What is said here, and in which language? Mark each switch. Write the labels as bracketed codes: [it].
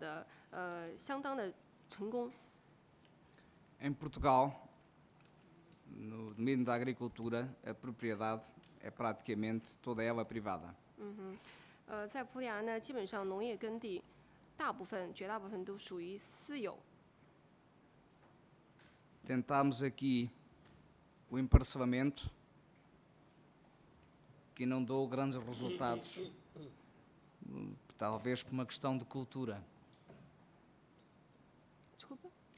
[zh] 而今天呢，我们当然有一些新型的农业合作社的这么一些模式，然后同时呢，事实也证明这种新型的农业合作社呢取得了比较的相当的成功。 [pt] Em Portugal, no domínio da agricultura, a propriedade é praticamente toda ela privada. [zh] 在葡萄牙呢，基本上农业耕地大部分、绝大部分都属于私有。 [pt] Tentámos aqui o emparcelamento, que não deu grandes resultados, talvez por uma questão de cultura. Desculpa?